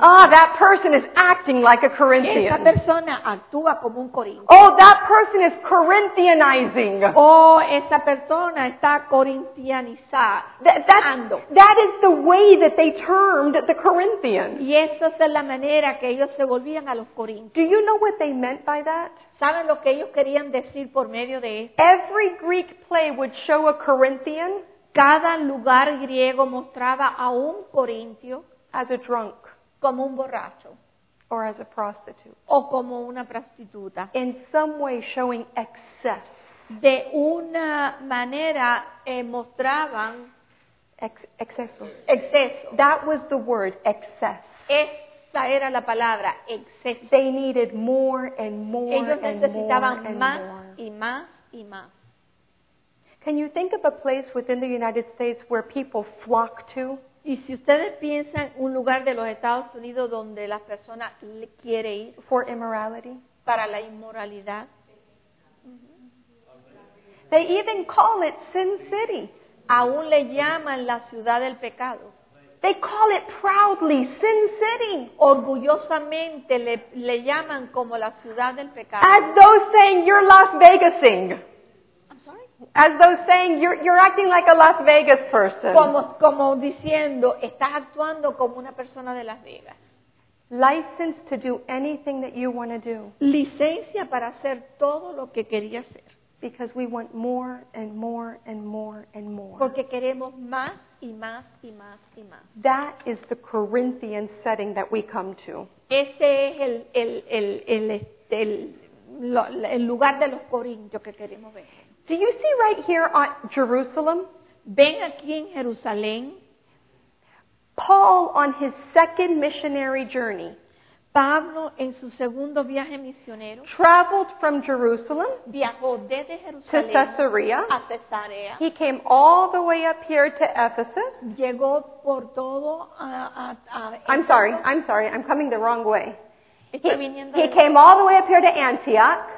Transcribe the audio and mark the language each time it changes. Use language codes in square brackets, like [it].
[en] Ah, that person is acting like a Corinthian. [es] Esa persona actúa como un corintio. [en] Oh, that person is Corinthianizing. [es] Oh, esa persona está corintianizando. [en] That is the way that they termed the Corinthians. [es] Y esa es la manera que ellos se volvían a los corintios. [en] Do you know what they meant by that? [es] ¿Saben lo que ellos querían decir por medio de esto? [en] Every Greek play would show a Corinthian. [es] Cada lugar griego mostraba a un corintio [en] as a drunk. [es] Como un borracho. [en] or as a prostitute. [es] O como una prostituta. [en] In some way showing excess. [es] De una manera mostraban exceso. Exceso. [en] That was the word, excess. [es] Esa era la palabra, exceso. [en] They needed more and more. [es] Ellos necesitaban [en] and more [es] más [en] and more. [es] Y más y más. [en] Can you think of a place within the United States where people flock to? [es] Y si ustedes piensan un lugar de los Estados Unidos donde la persona quiere ir. [en] For immorality. [es] Para la inmoralidad. [en] They even call it Sin City. [es] Aún le llaman la ciudad del pecado. [en] They call it proudly Sin City. [es] Orgullosamente le llaman como la ciudad del pecado. [en] As though saying you're Las Vegasing. I'm sorry. As though saying you're acting like a Las Vegas person. [es] Como diciendo estás actuando como una persona de Las Vegas. [en] License to do anything that you want to do. [es] Licencia para hacer todo lo que quería hacer. [en] Because we want more and more and more and more. [es] Porque queremos más y más y más y más. [en] That is the Corinthian setting that we come to. [es] Ese es el lugar de los corintios que queremos ver. [en] Do you see right here on Jerusalem? [es] Ven aquí en Jerusalén. [en] Paul on his second missionary journey. [es] Pablo en su segundo viaje misionero [en] traveled from Jerusalem, [es] viajó desde Jerusalén [en] to Caesarea. [es] A Caesarea. [en] He came all the way up here to Ephesus. [es] Llegó por todo a [en] I'm sorry, I'm coming the wrong way. He came all the way up here to Antioch.